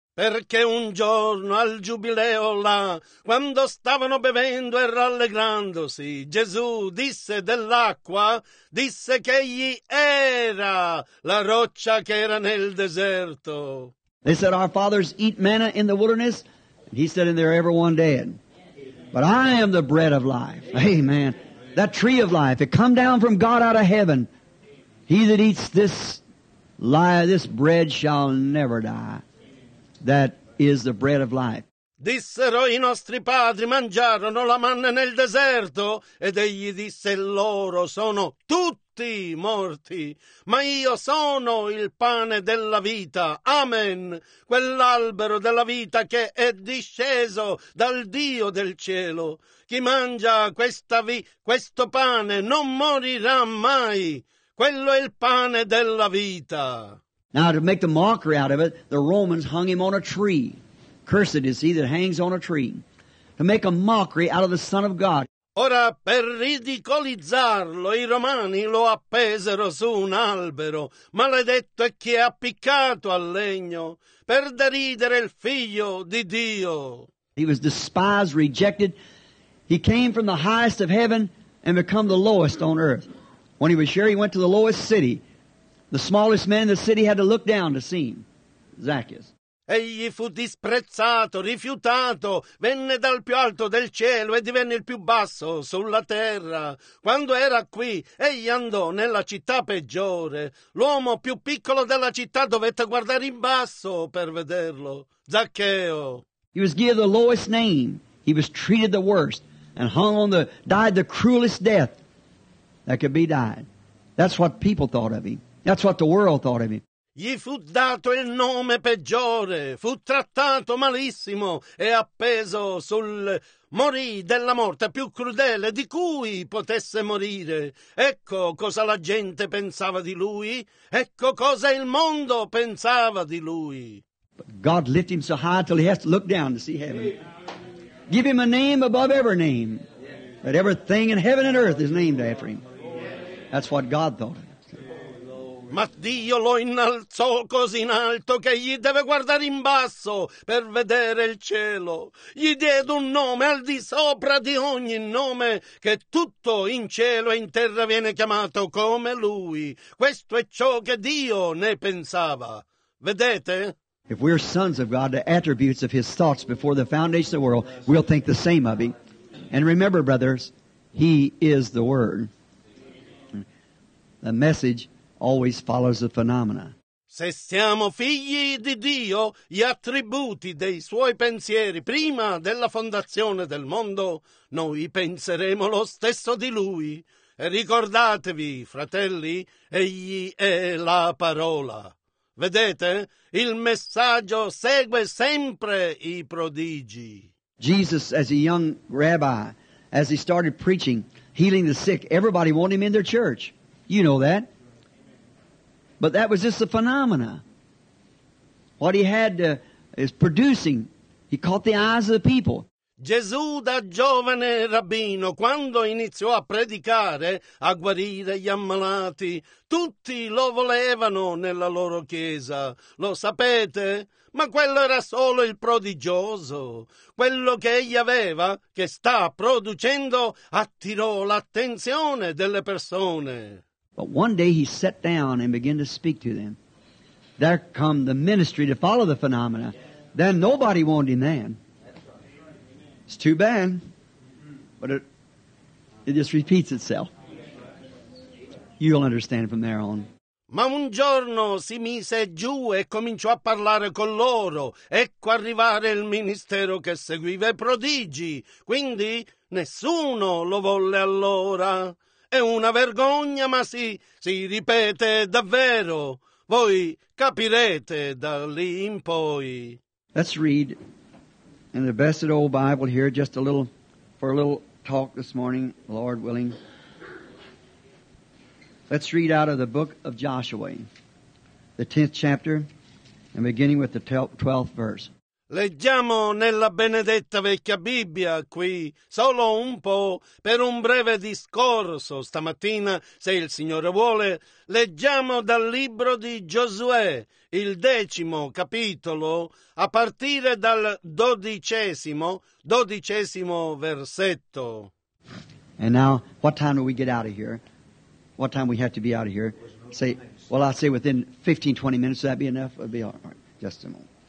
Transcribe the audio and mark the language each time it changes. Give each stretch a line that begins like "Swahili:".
Italian: Perché un giorno al giubileo là, quando stavano bevendo e rallegrandosi, Gesù disse dell'acqua, disse che egli era la roccia che era nel deserto.
English: They said, our fathers eat manna in the wilderness. He said, and they're everyone dead. But I am the bread of life. Amen. That tree of life, it come down from God out of heaven. He that eats this bread shall never die. That is the bread of life.
Italian: Dissero i nostri padri mangiarono la manna nel deserto ed egli disse loro sono tutti morti ma io sono il pane della vita. Amen. Quell'albero della vita che è disceso dal Dio del cielo. Chi mangia questo pane non morirà mai. Quello è il pane della vita.
English: Now, to make the mockery out of it, the Romans hung him on a tree. Cursed is he that hangs on a tree. To make a mockery out of the Son of God.
Italian: Ora, per ridicolizzarlo, i romani lo appesero su un albero. Maledetto è chi è appiccato al legno per deridere il figlio di Dio.
English: He was despised, rejected. He came from the highest of heaven and become the lowest on earth. When he was here, he went to the lowest city. The smallest man in the city had to look down to see him, Zacchaeus.
Italian: Egli fu disprezzato, rifiutato, venne dal più alto del cielo e divenne il più basso sulla terra. Quando era qui, egli andò nella città peggiore. L'uomo più piccolo della città dovette guardare in basso per vederlo, Zaccheo.
English: He was given the lowest name, he was treated the worst, and hung on the, died the cruelest death that could be died. That's what people thought of him. That's what the world thought of him.
Italian: Gli fu dato il nome peggiore, fu trattato malissimo e appeso sul morì della morte più crudele di cui potesse morire. Ecco cosa la gente pensava di lui, ecco cosa il mondo pensava di lui.
English: But God lift him so high till he has to look down to see heaven. Give him a name above every name, that everything in heaven and earth is named after him. That's what God thought of.
Italian: Ma Dio lo innalzò così in alto che gli deve guardare in basso per vedere il cielo. Gli diede un nome al di sopra di ogni nome, che tutto in cielo e in terra viene chiamato come lui. Questo è ciò che Dio ne pensava. Vedete?
English: If we're sons of God, the attributes of his thoughts before the foundation of the world, we'll think the same of him. And remember, brothers, he is the Word. The message always follows the phenomena.
Italian: Se siamo figli di Dio, gli attributi dei suoi pensieri prima della fondazione del mondo, noi penseremo lo stesso di lui. E ricordatevi, fratelli, egli è la parola. Vedete, il messaggio segue sempre i prodigi.
English: Jesus, as a young rabbi, as he started preaching, healing the sick, everybody wanted him in their church. You know that. But that was just a phenomena. What he had is producing. He caught the eyes of the people.
Italian: Gesù da giovane rabbino, quando iniziò a predicare, a guarire gli ammalati, tutti lo volevano nella loro chiesa. Lo sapete? Ma quello era solo il prodigioso. Quello che egli aveva, che sta producendo, attirò l'attenzione delle persone.
English: But one day he sat down and began to speak to them. There come the ministry to follow the phenomena. Then nobody wanted him then. It's too bad. But it just repeats itself. You'll understand from there on.
Italian: Ma un giorno si mise giù e cominciò a parlare con loro. Ecco arrivare il ministero che seguiva i prodigi. Quindi nessuno lo volle allora. È una vergogna, ma si ripete davvero. Voi capirete da lì in poi.
English: Let's read in the blessed old Bible here just a little, for a little talk this morning, Lord willing. Let's read out of the book of Joshua, the 10th chapter, and beginning with the 12th verse.
Italian: Leggiamo nella benedetta vecchia Bibbia qui, solo un po', per un breve discorso stamattina, se il Signore vuole. Leggiamo dal libro di Giosuè, il 10° capitolo, a partire dal 12° versetto.
English: And now, what time do we get out of here? What time we have to be out of here? Say, well, I'll say within 15-20 minutes, would that be enough? It'll be all right, just a moment.